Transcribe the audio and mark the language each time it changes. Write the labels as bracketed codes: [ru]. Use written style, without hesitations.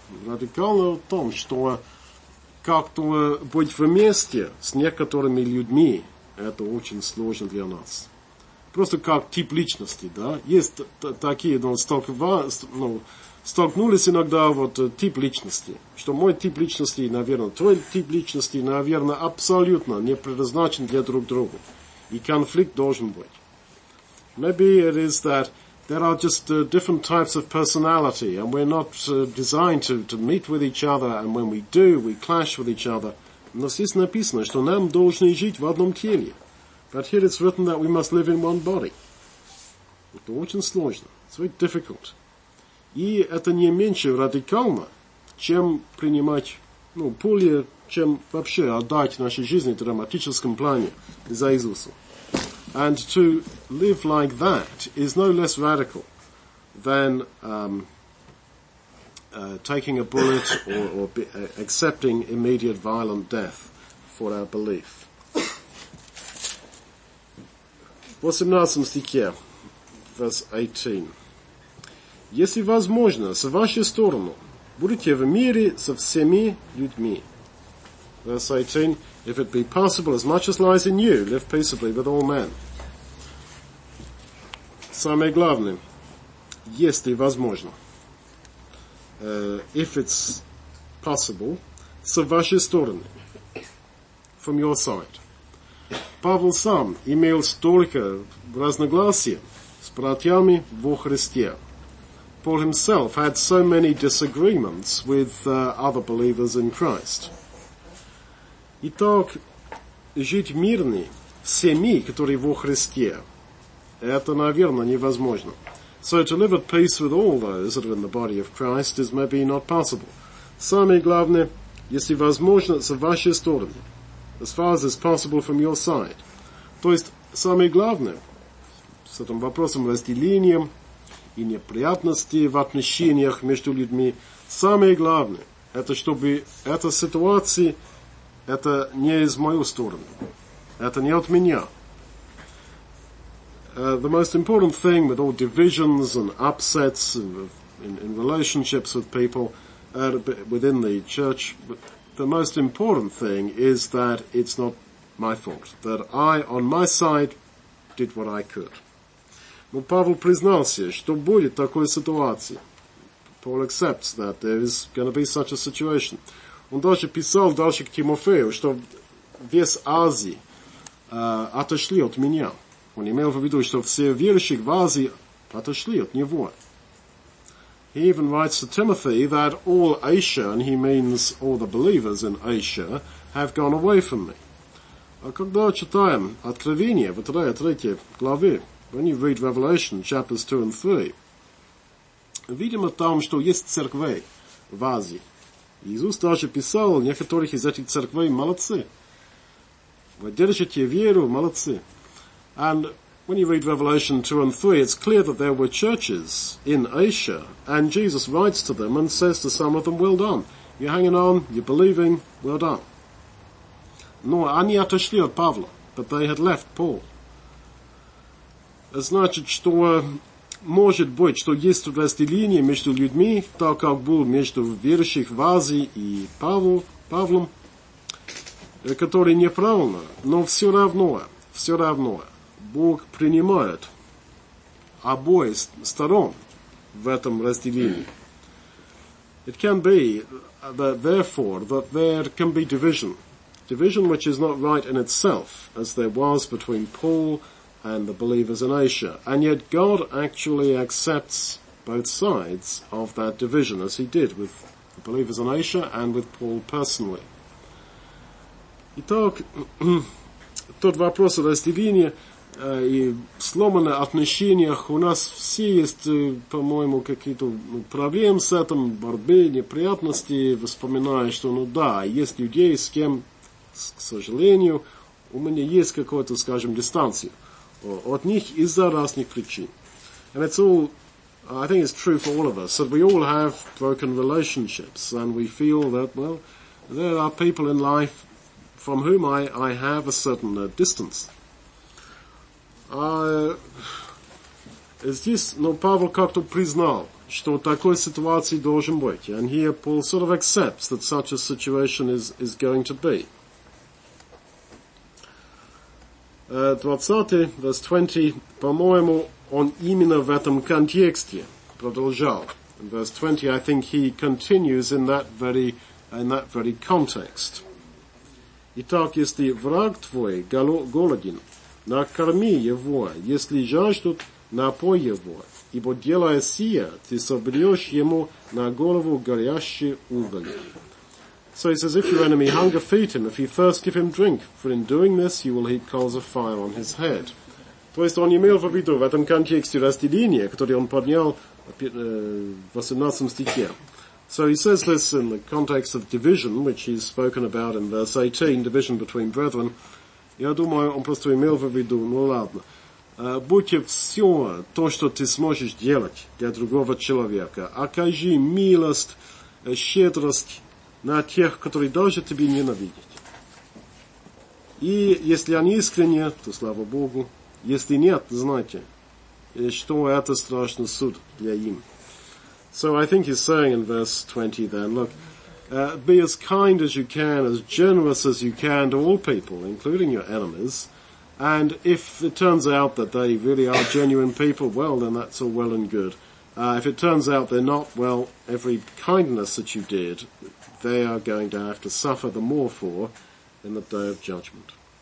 [ru] Радикально в том, что как-то быть вместе с некоторыми людьми, это очень сложно для нас. Просто как тип личности, да? Есть такие, но столкнулись иногда вот тип личности. Что мой тип личности, наверное, твой тип личности, наверное, абсолютно не предназначен для друг друга. И конфликт должен быть. [en] Maybe it is that there are just different types of personality, and we're not designed to meet with each other, and when we do, we clash with each other. [ru] Но здесь написано, что нам должны жить в одном теле. [en] But here it's written that we must live in one body. [ru] Это очень сложно. [en] It's very difficult. [ru] И это не меньше радикально, чем принимать, ну, поле, чем вообще отдать нашей жизни в драматическом плане за Иисуса. [en] And to live like that is no less radical than taking a bullet or accepting immediate violent death for our belief. [ru] В 18 стихе, [en] verse 18. [ru] Если возможно, с вашей стороны будете в мире со всеми людьми. [en] Verse 18. If it be possible, as much as lies in you, live peaceably with all men. [ru] Самое главное. Если возможно. [en] If it's possible, [ru] с вашей стороны. [en] From your side. [ru] Павел сам имел столько разногласий с братьями во Христе. [en] Paul himself had so many disagreements with other believers in Christ. [ru] Итак, жить мирно всеми, которые во Христе, это, наверное, невозможно. [en] So to live at peace with all those that are in the body of Christ is maybe not possible. [ru] Самое главное, если возможно, с вашей стороны. [en] As far as is possible from your side. [ru] То есть, самое главное, с этим вопросом разделения и неприятности в отношениях между людьми, самое главное, это чтобы эта ситуация, это не из мою сторону. Это не от меня. [en] the most important thing with all divisions and upsets and in relationships with people within the church, the most important thing is that it's not my fault, that I, on my side, did what I could. [ru] Но Павел признался, что будет такой ситуации. [en] Paul accepts that there is going to be such a situation. [ru] Он даже писал дальше к Тимофею, что весь Азии отошли от меня. Он имел в виду, что все верующие в Азии отошли от него. [en] He even writes to Timothy that all Asia, and he means all the believers in Asia, have gone away from me. [ru] А когда читаем Откровение, в 3 главе, [en] when you read Revelation, chapters 2 and 3, [ru] видим о том, что есть церкви в Азии. Иисус даже писал, некоторых из этих церквей молодцы. Вы держите веру, молодцы. [en] And when you read Revelation 2 and 3, it's clear that there were churches in Asia, and Jesus writes to them and says to some of them, well done, you're hanging on, you're believing, well done. [ru] Но они отошли от Павла, [en] but they had left Paul. [ru] Значит, что может быть, что есть разделение между людьми, так как было между верующих в Азии и Павлом, которое неправильно, но все равно, Бог принимает обои сторон в этом разделении. [en] It can be that therefore that there can be division. Division which is not right in itself, as there was between Paul and the believers in Asia. And yet God actually accepts both sides of that division, as he did with the believers in Asia and with Paul personally. [ru] Итак, тот вопрос о разделении и сломанных отношениях, у нас все есть, по-моему, какие-то проблемы с этим, борьбы, неприятности, вспоминая, что, ну да, есть людей, с кем, к сожалению, у меня есть какую-то, скажем, дистанцию от них из-за разных причин. [en] And it's all, I think it's true for all of us, that we all have broken relationships, and we feel that, well, there are people in life from whom I have a certain distance. [ru] Здесь, но Павел как-то признал, что такой ситуации должен быть. [en] And here Paul sort of accepts that such a situation is going to be. [ru] 20, [en] verse 20, [ru] по-моему, он именно в этом контексте продолжал. [en] In verse 20, I think he continues in that very context. [ru] Итак, если враг твой голоден, накорми его, если жаждут, напой его, ибо делая сие, ты собрешь ему на голову горящий уголь. [en] So he says, if your enemy hunger, feed him. If he thirst, give him drink. For in doing this, you will heap coals of fire on his head. [ru] То есть он имел в виду в этом контексте разделения, который он поднял в 18 стихе. [en] So he says this in the context of division, which he's spoken about in verse 18, division between brethren. [ru] Я думаю, он просто имел в виду, ну ладно. Будьте все то, что ты сможешь делать для другого человека. Окажи милость, щедрость на тех, которые даже тебе ненавидят. И если они искренне, то слава Богу. Если нет, знайте, что это страшный суд для им. [en] So I think he's saying in verse 20 then, look, be as kind as you can, as generous as you can to all people, including your enemies. And if it turns out that they really are genuine people, well, then that's all well and good. If it turns out they're not, well, every kindness that you did, they are going to have to suffer the more for in the day of judgment.